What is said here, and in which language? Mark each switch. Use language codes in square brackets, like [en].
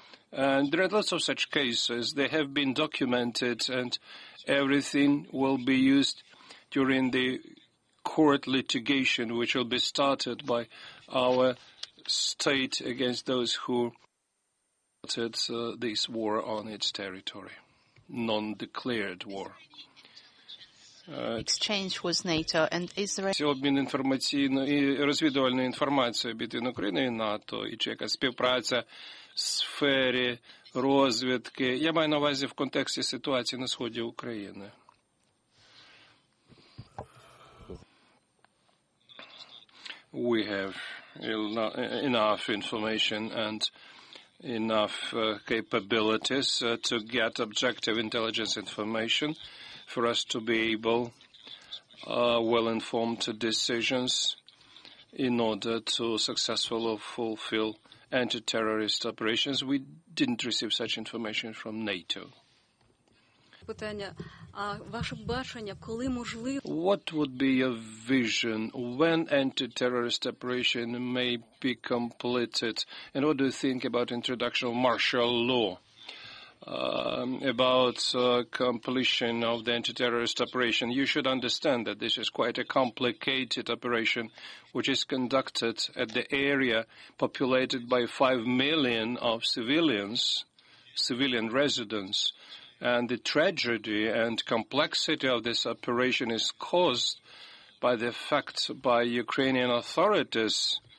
[en] And there are lots of such cases. They have been documented, and everything will be used during the court litigation, which will be started by our state against those who started this war on its territory, non-declared war. Exchange with NATO and Israel. [uk] Це обмін інформаційної і розвідувальної інформації між Україною і НАТО, і чи якась співпраця в сфері розвідки. Я маю на увазі в контексті ситуації на сході України. [en] We have enough information and enough capabilities to get objective intelligence information for us to be able well-informed decisions in order to successfully fulfill anti-terrorist operations. We didn't receive such information from NATO. [uk] Питання, а ваше бачення, коли можливо? [en] What would be your vision when anti-terrorist operation may be completed? And what do you think about introduction of martial law? About completion of the anti-terrorist operation. You should understand that this is quite a complicated operation which is conducted at the area populated by 5 million of civilians, civilian residents, and the tragedy and complexity of this operation is caused by the fact by Ukrainian authorities